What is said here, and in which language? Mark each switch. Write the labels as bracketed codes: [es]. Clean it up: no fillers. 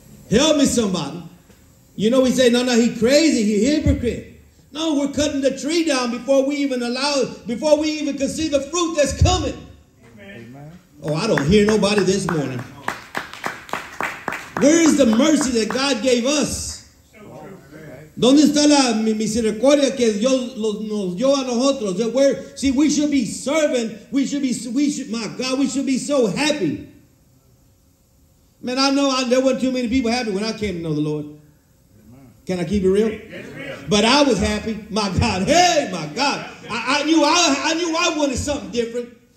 [en] Help me, somebody. You know, we say, no, he's crazy. He's a hypocrite. No, we're cutting the tree down before we even allow it, before we even can see the fruit that's coming. Amen. Oh, I don't hear nobody this morning. Where is the mercy that God gave us? [es] ¿Dónde está la misericordia que Dios nos dio a nosotros? [en] See, we should be serving. We should be so happy. Man, there weren't too many people happy when I came to know the Lord. Can I keep it real? But I was happy. My God. Hey, my God. I knew I wanted something different.